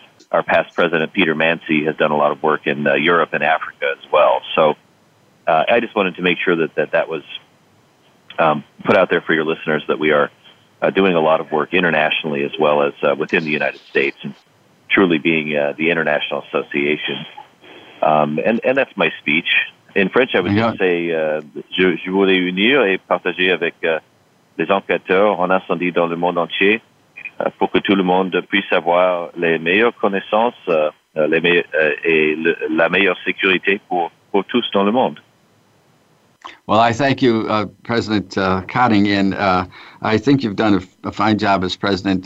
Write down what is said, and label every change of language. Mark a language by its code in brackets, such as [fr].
[en] Our past president, Peter Mansi, has done a lot of work in Europe and Africa as well. So I just wanted to make sure that was put out there for your listeners, that we are doing a lot of work internationally as well as within the United States, and truly being the International Association. And that's my speech. In French, I would just say, [fr] je voulais unir et partager avec les enquêteurs en incendie dans le monde entier pour que tout le monde puisse avoir les meilleures connaissances la meilleure sécurité pour tous dans le monde. [en] Well, I thank you, President Cotting, and I think you've done a fine job as president.